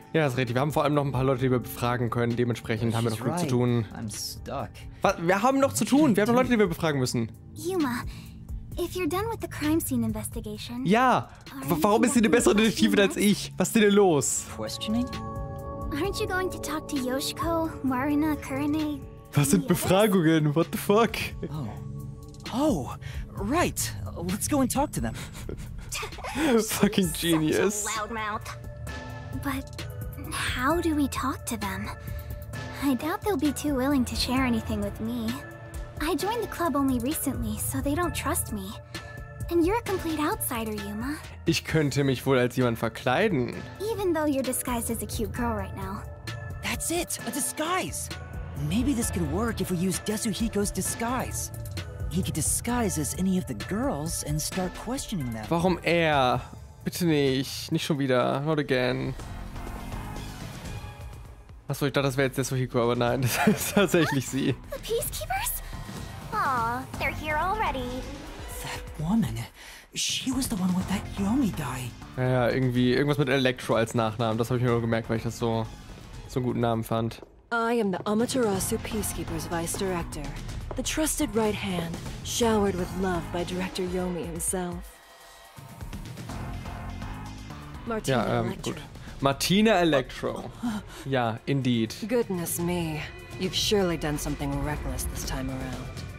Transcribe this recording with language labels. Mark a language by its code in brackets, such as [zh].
[de] Ja, das ist richtig. Wir haben vor allem noch ein paar Leute, die wir befragen können. Dementsprechend haben wir noch genug zu tun. [en] I'm stuck. [de] Was? Wir haben noch zu tun. Wir haben noch Leute, die wir befragen müssen. [en] Yuma, if you're done with the crime scene investigation. [de] Ja. Warum ist sie eine bessere Detektivin als ich? Was ist denn los? [en] Questioning? Aren't you going to talk to Yoshiko, Waruna, Kurane? [de] Was sind Befragungen? [en] What the fuck? Oh. Oh, right. Let's go and talk to them. Fucking genius. Loudmouth. But how do we talk to them? I doubt they'll be too willing to share anything with me. I joined the club only recently, so they don't trust me. And you're a complete outsider, Yuma. [de] Ich könnte mich wohl als jemand verkleiden. [en] Even though you're disguised as a cute girl right now. That's it, a disguise. Maybe this could work if we use Desuhiko's disguise. He could disguise as any of the girls and start questioning them. [de] Warum er? Bitte nicht schon wieder. [en] Not again. [de] Achso, ich dachte, das wäre jetzt Desuhiko, aber nein, das ist tatsächlich sie. [en] The Peacekeepers? Aw, they're here already. That woman. She was the one with that Yomi guy. [de] Ja, irgendwie irgendwas mit Electro als Nachnamen. Das habe ich mir nur gemerkt, weil ich das so einen guten Namen fand. [en] I am the Amaterasu Peacekeepers Vice Director. The trusted right hand, showered with love by Director Yomi himself. [de] Martina ja, Electro. Gut. Martina Electro. Ja, [en] indeed. Goodness me. You've surely done something reckless this time around.